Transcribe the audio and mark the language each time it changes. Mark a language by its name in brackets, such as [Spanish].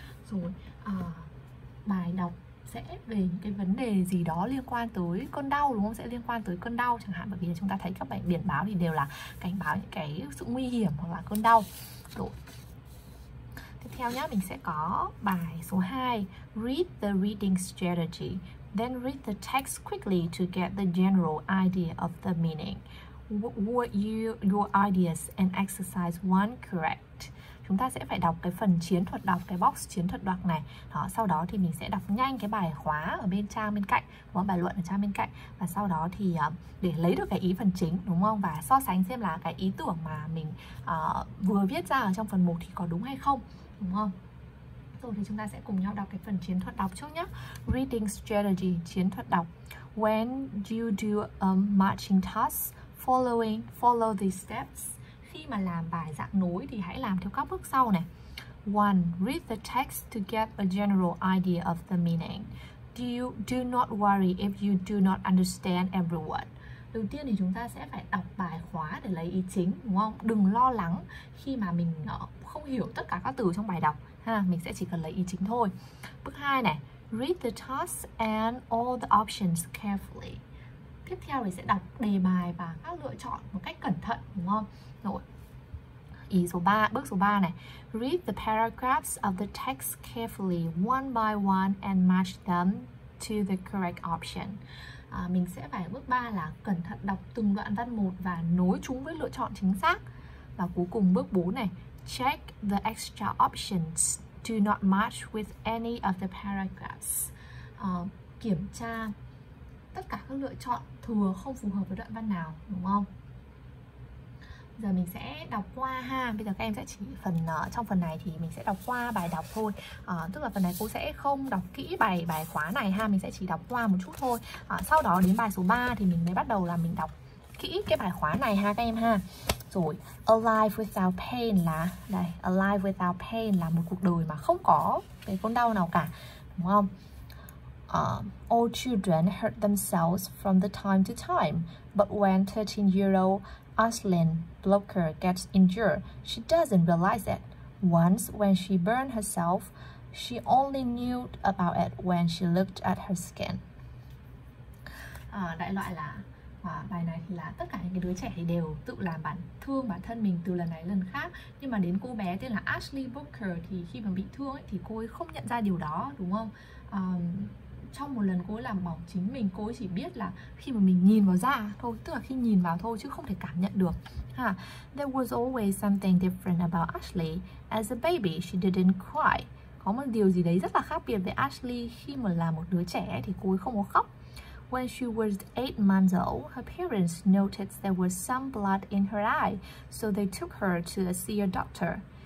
[Vietnamese] Rồi, bài đọc sẽ về những cái vấn đề gì đó liên quan tới cơn đau, đúng không? Sẽ liên quan tới cơn đau chẳng hạn, bởi vì chúng ta thấy các bài biển báo thì đều là cảnh báo những cái sự nguy hiểm hoặc là cơn đau. Rồi, tiếp theo nhá, mình sẽ có bài số 2. [English] Read the reading strategy, then read the text quickly to get the general idea of the meaning. Would you your ideas and exercise one correct? [Vietnamese] Chúng ta sẽ phải đọc cái phần chiến thuật đọc, cái box chiến thuật đọc này. Đó, sau đó thì mình sẽ đọc nhanh cái bài khóa ở bên trang bên cạnh, đúng, bài luận ở trang bên cạnh. Và sau đó thì để lấy được cái ý phần chính, đúng không? Và so sánh xem là cái ý tưởng mà mình vừa viết ra ở trong phần 1 thì có đúng hay không, đúng không? Rồi thì chúng ta sẽ cùng nhau đọc cái phần chiến thuật đọc trước nhé. [English] Reading strategy, [Vietnamese] chiến thuật đọc. [English] When you do a marching task, follow these steps. [Vietnamese] Khi mà làm bài dạng nối thì hãy làm theo các bước sau này. 1. [English] Read the text to get a general idea of the meaning. Do not worry if you do not understand every word. [Vietnamese] Đầu tiên thì chúng ta sẽ phải đọc bài khóa để lấy ý chính, đúng không? Đừng lo lắng khi mà mình không hiểu tất cả các từ trong bài đọc ha, mình sẽ chỉ cần lấy ý chính thôi. Bước 2 này, [English] read the task and all the options carefully. [Vietnamese] Tiếp theo thì sẽ đọc đề bài và các lựa chọn một cách cẩn thận, đúng không? Rồi, ý số 3, bước số 3 này, [English] read the paragraphs of the text carefully one by one and match them to the correct option. [Vietnamese] Mình sẽ phải bước 3 là cẩn thận đọc từng đoạn văn một và nối chúng với lựa chọn chính xác. Và cuối cùng bước 4 này, [English] check the extra options do not match with any of the paragraphs. [Vietnamese] Kiểm tra tất cả các lựa chọn thừa không phù hợp với đoạn văn nào, đúng không? Giờ mình sẽ đọc qua ha. Bây giờ các em sẽ chỉ phần trong phần này thì mình sẽ đọc qua bài đọc thôi. Tức là phần này cô sẽ không đọc kỹ bài khóa này ha, mình sẽ chỉ đọc qua một chút thôi. Sau đó đến bài số 3 thì mình mới bắt đầu là mình đọc kỹ cái bài khóa này ha các em ha. Rồi, [English] alive without pain [Vietnamese] là đây, alive without pain là một cuộc đời mà không có cái cơn đau nào cả, đúng không? [English] All children hurt themselves from the time to time, but when 13-year-old Aslan Blocker gets injured, she doesn't realize it. Once, when she burned herself, she only knew about it when she looked at her skin. [Vietnamese] À, đại loại là bài này thì là tất cả những cái đứa trẻ thì đều tự làm bản thương bản thân mình từ lần này lần khác, nhưng mà đến cô bé tên là Ashley Booker thì khi mà bị thương ấy, thì cô ấy không nhận ra điều đó, đúng không? Trong một lần cô ấy làm bỏng chính mình, cô ấy chỉ biết là khi mà mình nhìn vào da thôi, tức là khi nhìn vào thôi chứ không thể cảm nhận được. Ha. [English] There was always something different about Ashley. As a baby, she didn't cry. [Vietnamese] Có một điều gì đấy rất là khác biệt với Ashley. Khi mà là một đứa trẻ thì cô ấy không có khóc. [English] When she was 8 months old, her parents noticed there was some blood in her eye, so they took her to see a doctor.